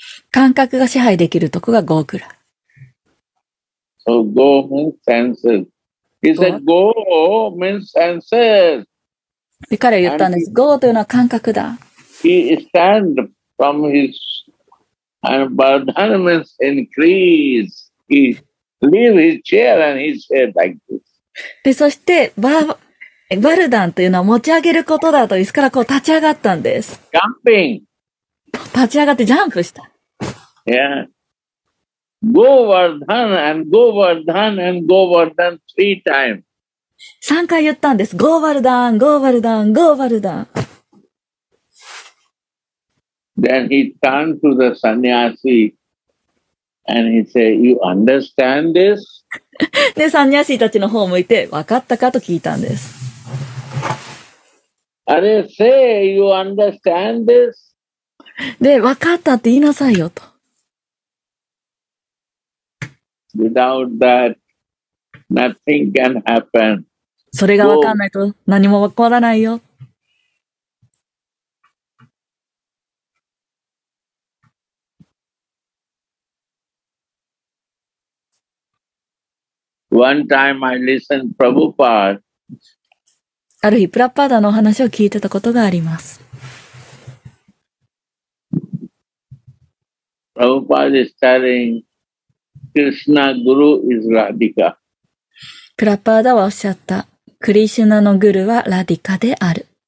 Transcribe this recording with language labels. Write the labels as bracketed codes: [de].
[ja] 感覚が支配できるとこがゴークラ。 [en] So go means senses. He said go means senses. [ja] で彼は言ったんです。 Go というのは感覚だ。 [en] He stand from his and burden means increase. He leave his chair and he said like this. [ja] でそしてバルダンというのは持ち上げることだと椅子からこう立ち上がったんです。 [en] Jumping. [ja] 立ち上がってジャンプした。 [en] Yeah. Go Vardhan and Go Vardhan and Go Vardhan three times. [ja] 3回言ったんです。Go Vardhan, Go Vardhan, Go Vardhan. [en] Then he turned to the sannyasi and he said, you understand this? [ja] で、サンニャシーたちの方を向いて、わかったかと聞いたんです。 [en] あれ、say, you understand this? [ja] で、わかったって言いなさいよと。 [en] Without that, nothing can happen. [ja] それがわかんないと何も起こらないよ。 [en] One time I listened Prabhupada. [ja] ある日、プラッパーダのお話を聞いてたことがあります。 [en] Prabhupada is telling Krishna Guru is Radhika. [ja] プラッパーダはおっしゃった。クリシュナのグルはラディカである。